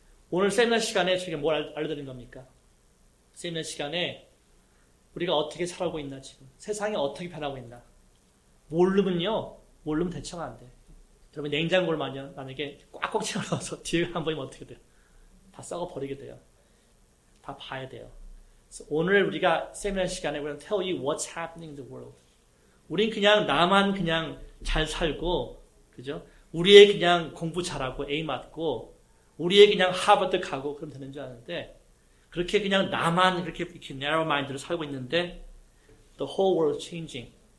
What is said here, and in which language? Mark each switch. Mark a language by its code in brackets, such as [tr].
[ko] 오늘 세미나 시간에 저에게 뭘 알려드린 겁니까? 세미나 시간에 우리가 어떻게 살아가고 있나 지금. 세상이 어떻게 변하고 있나. 모르면요. 모르면 대처가 안 돼. 그러면 냉장고를 만약에 꽉꽉 채워넣어서 뒤에 한 번이면 어떻게 돼요? 다 썩어버리게 돼요. 다 봐야 돼요. 그래서 오늘 우리가 세미나 시간에 [en] we'll tell you what's happening in the world. [ko] 우린 그냥 나만 그냥 잘 살고 그죠? 우리의 그냥 공부 잘하고 A 맞고 우리의 그냥 하버드 가고 그럼 되는 줄 아는데 그렇게 그냥 나만 그렇게 이렇게 narrow mind로 살고 있는데 [en] the whole world is changing.